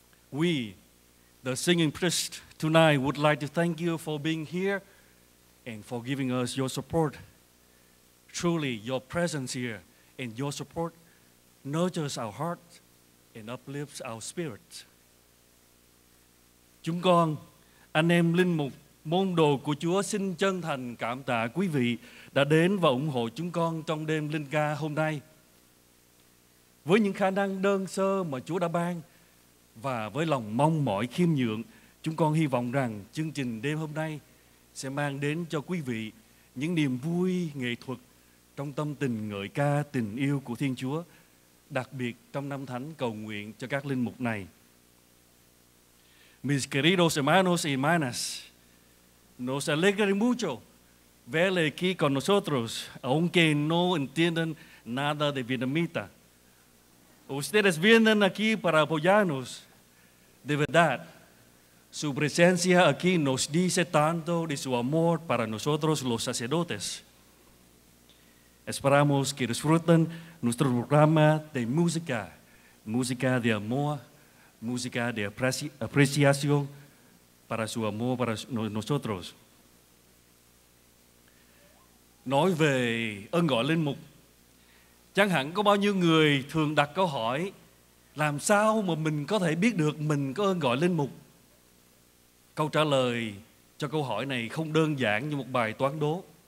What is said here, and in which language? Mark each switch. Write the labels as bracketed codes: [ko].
[en] We, the singing priest tonight, would like to thank you for being here and for giving us your support. Truly, your presence here and your support nurtures our hearts and uplifts our spirits. [vi] Chúng con, anh em linh mục, môn đồ của Chúa xin chân thành cảm tạ quý vị đã đến và ủng hộ chúng con trong đêm linh ca hôm nay. Với những khả năng đơn sơ mà Chúa đã ban và với lòng mong mỏi khiêm nhượng, chúng con hy vọng rằng chương trình đêm hôm nay sẽ mang đến cho quý vị những niềm vui nghệ thuật trong tâm tình ngợi ca tình yêu của Thiên Chúa, đặc biệt trong năm thánh cầu nguyện cho các linh mục này. [es] Mis queridos hermanos y hermanas, nos alegra mucho verle aquí con nosotros, aunque no entienden nada de vietnamita. Ustedes vienen aquí para apoyarnos. De verdad, su presencia aquí nos dice tanto de su amor para nosotros los sacerdotes. Esperamos que disfruten nuestro programa de música, música de amor, música de apreciación para su amor para nosotros. [vi] Nói về ơn gọi linh mục, chẳng hạn có bao nhiêu người thường đặt câu hỏi làm sao mà mình có thể biết được mình có ơn gọi linh mục. Câu trả lời cho câu hỏi này không đơn giản như một bài toán đố.